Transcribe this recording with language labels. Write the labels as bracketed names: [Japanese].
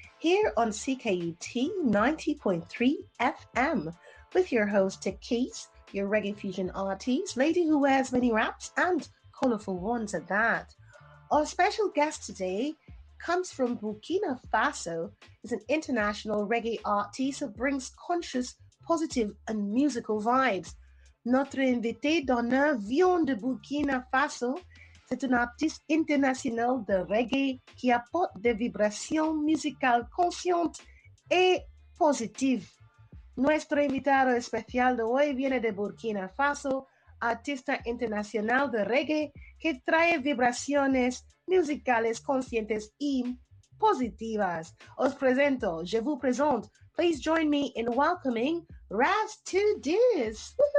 [English] here on CKUT 90.3 FM with your host, Takis, your reggae fusion artist, lady who wears many wraps and colorful ones at that. Our special guest today comes from Burkina Faso, is an international reggae artist that brings conscious, positive, and musical vibes. [French] Notre invité d'honneur vient de Burkina Faso. C'est un artiste international de reggae qui apporte des vibrations musicales conscientes et positives. [Spanish] Nuestro invitado especial de hoy viene de Burkina Faso, artista internacional de reggae que trae vibraciones musicales conscientes y positivas. Os presento, [French] je vous présente. [English] Please join me in welcoming Raz to this.